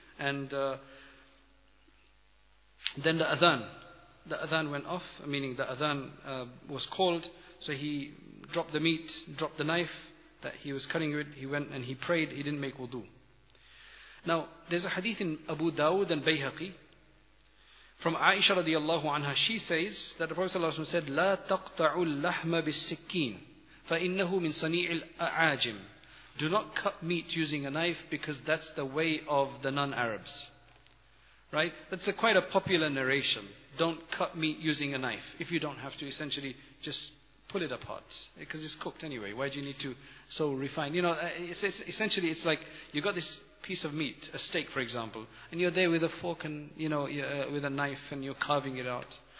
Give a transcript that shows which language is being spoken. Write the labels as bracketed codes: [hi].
[en] And then the adhan went off, meaning the adhan was called. So he dropped the meat, dropped the knife that he was cutting with. He went and he prayed. He didn't make wudu. Now, there's a hadith in Abu Dawud and Bayhaqi from Aisha radiallahu anha. She says that the Prophet ﷺ said, [ar] لا تقطع اللحم بالسكين فإنه من صنيع الأعاجم. [en] Do not cut meat using a knife, because that's the way of the non-Arabs. Right? That's quite a popular narration. Don't cut meat using a knife. If you don't have to, essentially, just pull it apart. Because it's cooked anyway. Why do you need to so refine? You know, it's like you got this piece of meat, a steak for example, and you're there with a fork and, you know, with a knife, and you're carving it out.